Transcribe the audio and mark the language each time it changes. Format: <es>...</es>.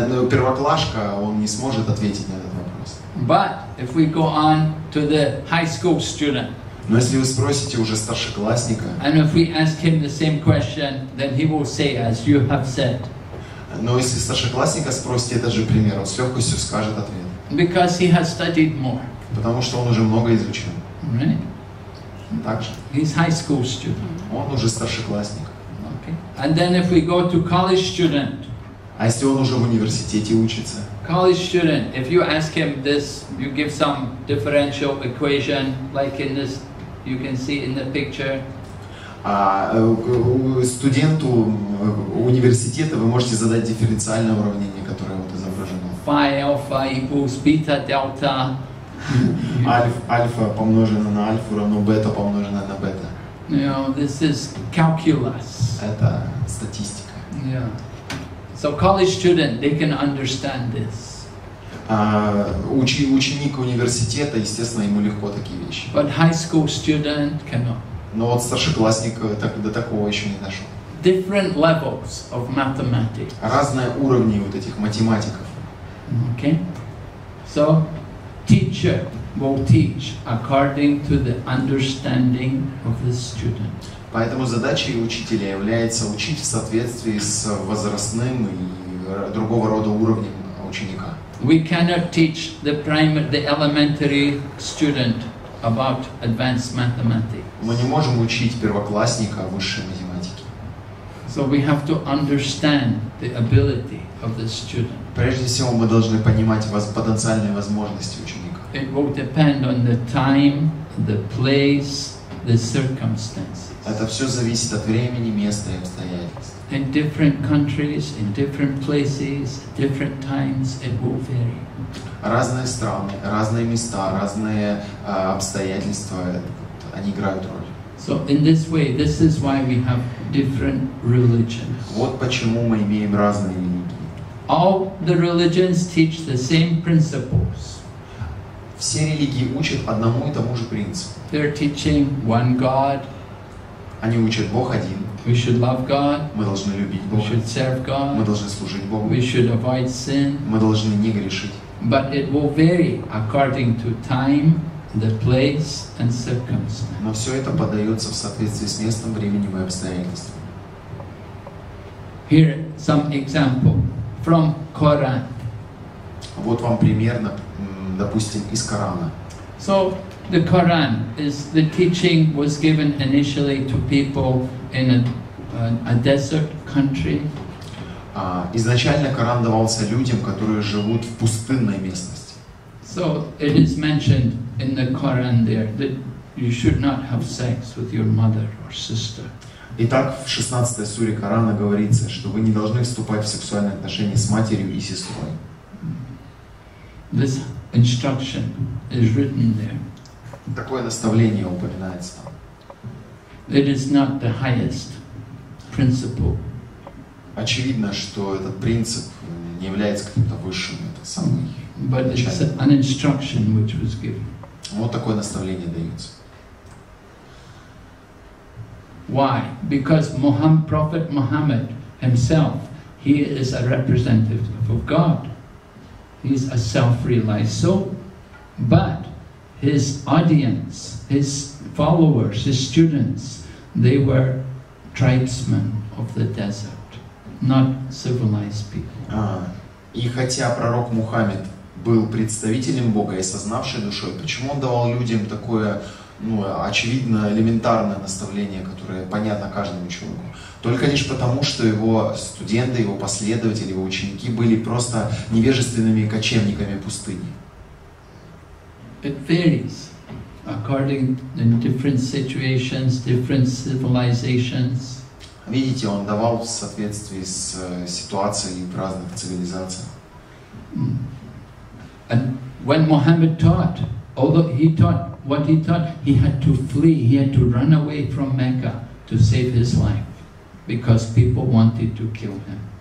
<ru>Первоклашка, он не сможет ответить на этот вопрос.</ru> <en>But if we go on to the high school student.</en> <ru>Но если вы спросите уже старшеклассника.</ru> <en>And if we ask him the same question, then he will say, as you have said.</en> <ru>Но если старшеклассника спросите этот же пример, он с легкостью скажет ответ.</ru> <en>Because he has studied more.</en> <ru>Потому что он уже много изучил.</ru> <en>Right.</en> <ru>Так же.</ru> <en>He's high school student.</en> <ru>Он уже старшеклассник.</ru> <en>Okay. And then if we go to college student.</en> <ru>А если он уже в университете учится?</ru> <en>College student, if you ask him this, you give some differential equation, like in this, you can see in the picture.</en> <ru>А студенту университета вы можете задать дифференциальное уравнение, которое вот изображено.</ru> <en>Phi alpha equals beta delta.</en> <ru>Альфа помноженное на альфу равно бета помноженное на бета.</ru> <en>No, this is calculus.</en> <ru>Это статистика.</ru> <en>Yeah. So college student, they can understand this.</en> <ru>Ученик университета, естественно, ему легко такие вещи.</ru> <en>But high school student cannot.</en> <ru>Но вот старшеклассник до такого еще не дошел.</ru> <en>Different levels of mathematics.</en> <ru>Разные уровни вот этих математиков.</ru> <en>Okay. So teacher will teach according to the understanding of the student.</en> <ru>Поэтому задачей учителя является учить в соответствии с возрастным и другого рода уровнем ученика.</ru> <en>We cannot teach the primary, the elementary student about advanced mathematics.</en> <ru>Мы не можем учить первоклассника высшей математике.</ru> <en>So we have to understand the ability of the student.</en> <ru>Прежде всего мы должны понимать потенциальные возможности ученика.</ru> <en>It will depend on the time, the place, the circumstances.</en> <ru>Это все зависит от времени, места и обстоятельств.</ru> <en>In different countries, in different places, different times, it will vary.</en> <ru>Разные страны, разные места, разные обстоятельства, они играют роль.</ru> <en>So in this way, this is why we have different religions.</en> <ru>Вот почему мы имеем разные религии.</ru> <en>All the religions teach the same principles.</en> <ru>Все религии учат одному и тому же принципу.</ru> <en>They're teaching one God.</en> <ru>Они учат Бог один.</ru> <en>We should love God.</en> <ru>Мы должны любить Бога.</ru> <en>We should serve God.</en> <ru>Мы должны служить Богу.</ru> <en>We should avoid sin.</en> <ru>Мы должны не грешить.</ru> <en>But it will vary according to time, the place, and circumstances.</en> <ru>Но все это подается в соответствии с местом, временем и обстоятельствами.</ru> <en>Here some example from Quran.</en> <ru>Вот вам пример, допустим, из Корана.</ru> <en>So. The Quran is the teaching was given initially to people in a desert country.</en> <ru>Изначально Коран давался людям, которые живут в пустынной местности.</ru> <en>So it is mentioned in the Quran there that you should not have sex with your mother or sister.</en> <ru>Итак, в 16-й суре Корана говорится, что вы не должны вступать в сексуальные отношения с матерью и сестрой.</ru> <en>This instruction is written there.</en> <ru>Такое наставление упоминается там.</ru> <en>It is not the highest principle.</en> <ru>Очевидно, что этот принцип не является каким-то высшим, это самый.</ru> <en>But it's an instruction which was given.</en> <ru>Вот такое наставление дается.</ru> <en>Why? Because Prophet Muhammad himself, he is a representative of God. He is a self-realized soul. But his audience, his followers, his students, they were tribesmen of the desert, not civilized people.</en> <ru>И хотя пророк Мухаммед был представителем Бога и сознавший душой, почему он давал людям такое, ну, очевидно, элементарное наставление, которое понятно каждому человеку? Только лишь потому, что его студенты, его последователи, его ученики были просто невежественными кочевниками пустыни.</ru> <en>It varies according to different situations, different civilizations.</en> <ru>Видите, он давал в соответствии с ситуацией в разных цивилизациях.</ru> <en>And when Muhammad taught, although he taught what he taught, he had to flee, he had to run away from Mecca to save his life, because people wanted to kill him.</en>